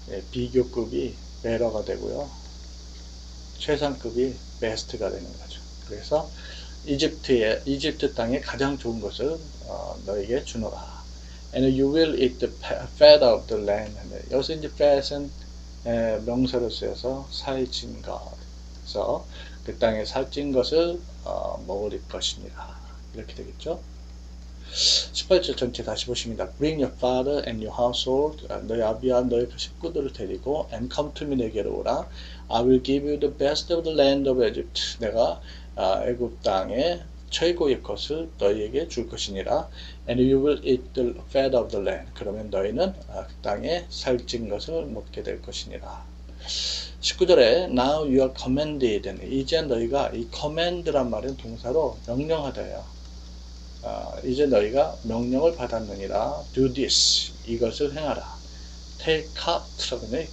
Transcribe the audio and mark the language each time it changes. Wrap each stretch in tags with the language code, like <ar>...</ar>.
<ko>비교급이 베러가 되고요. 최상급이 베스트가 되는 거죠. 그래서 이집트 땅의 가장 좋은 것을 너에게 주노라.</ko> <en>And you will eat the fat of the land.</en> <ko>여기서 이제 fat은 명사로 쓰여서 살찐 것. 그래서 그 땅의 살찐 것을 먹을 것입니다. 이렇게 되겠죠? 18절 전체 다시 보십니다.</ko> <en>Bring your father and your household,</en> <ko>너의 아비와 너의 식구들을 데리고,</ko> <en>and come to me</en> <ko>내게로 오라.</ko> <en>I will give you the best of the land of Egypt.</en> <ko>내가 애굽 땅의 최고의 것을 너희에게 줄 것이니라.</ko> <en>And you will eat the fat of the land.</en> <ko>그러면 너희는 그 땅의 살찐 것을 먹게 될 것이니라. 19절에</ko> <en>Now you are commanded.</en> <ko>이제 너희가 이 command란 말은 동사로 명령하다예요. 이제 너희가 명령을 받았느니라.</ko> <en>Do this.</en> <ko>이것을 행하라.</ko> <en>Take cart라고 하네.</en>